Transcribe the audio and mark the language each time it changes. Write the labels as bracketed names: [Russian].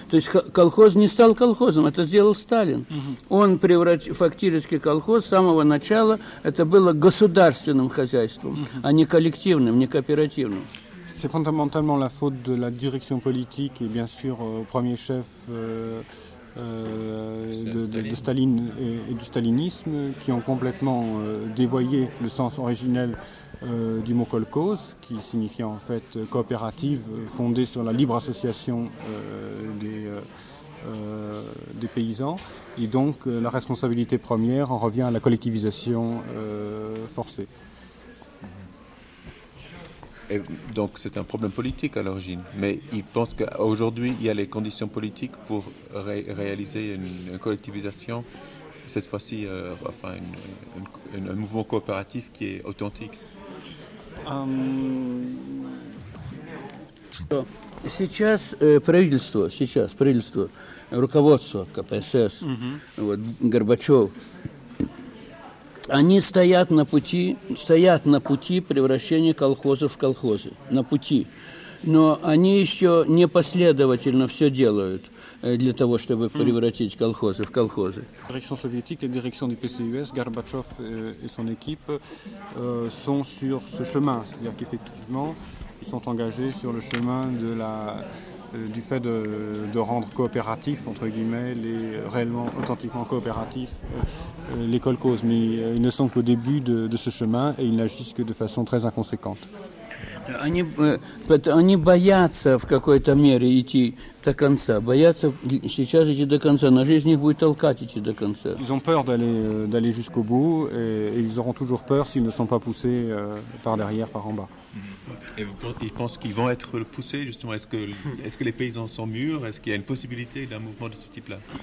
[Russian] То есть колхоз не стал колхозом, это сделал Сталин. Он превратил фактически колхоз с самого начала, это было государственным хозяйством, а не коллективным, не кооперативным. [French] C'est fondamentalement la faute de la direction politique et bien sûr au premier chef de Staline et du stalinisme qui ont complètement dévoyé le sens originel du mot Kolkhoz, qui signifie en fait coopérative fondée sur la libre association des paysans. Et donc la responsabilité première en revient à la collectivisation forcée. Et donc c'est un problème politique à l'origine, mais il pense qu'aujourd'hui il y a les conditions politiques pour réaliser une collectivisation, cette fois-ci enfin un mouvement coopératif qui est authentique. [Russian] Сейчас правительство, руководство КПСС, вот Горбачев, они стоят на пути превращения колхозов в колхозы, на пути. Но они еще не последовательно все делают для того, чтобы превратить колхозы в колхозы. [French] Direction soviétique et direction du PCUS, Горбачев et son équipe sont sur ce chemin, c'est-à-dire qu'effectivement ils sont engagés sur le chemin de la du fait de rendre coopératif, entre guillemets, les réellement authentiquement coopératif, les Kolkhoz. Mais ils ne sont qu'au début de ce chemin et ils n'agissent que de façon très inconséquente. [Russian] Они боятся в какой-то мере идти до конца. Боятся сейчас идти до конца, но жизнь их будет толкать идти до конца. [French] Ils ont peur d'aller jusqu'au bout et ils auront toujours peur s'ils ne sont pas poussés par derrière, par en bas. Et ils pensent qu'ils vont être poussés justement. Est-ce que les paysans sont mûrs? Est-ce qu'il y a une possibilité d'un mouvement de ce type-là?